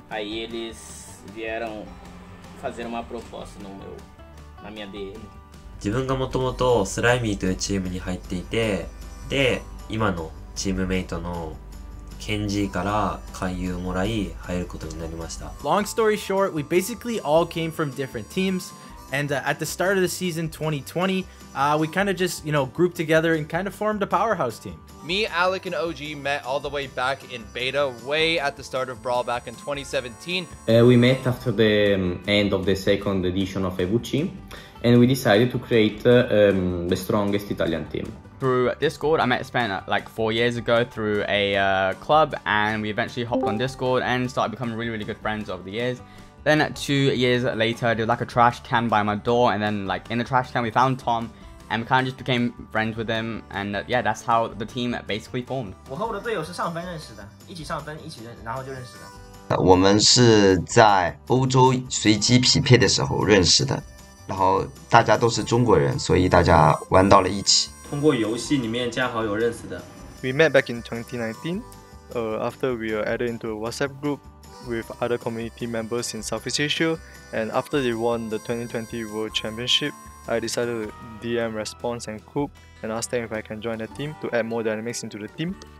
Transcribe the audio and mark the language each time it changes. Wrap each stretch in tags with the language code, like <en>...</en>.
<pt>Aí eles vieram fazer uma proposta na minha DL.</pt> <ja>自分がもともとスライミーというチームに入っていて、で、</ja> <en>Long story short, we basically all came from different teams, and at the start of the season 2020, we kind of just, you know, grouped together and kind of formed a powerhouse team. Me, Alec, and OG met all the way back in beta, way at the start of Brawl back in 2017. We met after the end of the second edition of EVC, and we decided to create the strongest Italian team. Through Discord, I met Spen like 4 years ago through a club, and we eventually hopped on Discord and started becoming really, really good friends over the years. Then 2 years later, there was like a trash can by my door, and then like in the trash can, we found Tom, and we kind of just became friends with him, and yeah, that's how the team basically formed.</en> <zh>我和我的队友是上分认识的，一起上分，一起认识，然后就认识的。我们是在欧洲随机匹配的时候认识的，然后大家都是中国人，所以大家玩到了一起。</zh> <en>We met back in 2019, after we were added into a WhatsApp group with other community members in Southeast Asia, and after they won the 2020 World Championship, I decided to DM Response and Coop and ask them if I can join the team to add more dynamics into the team.</en>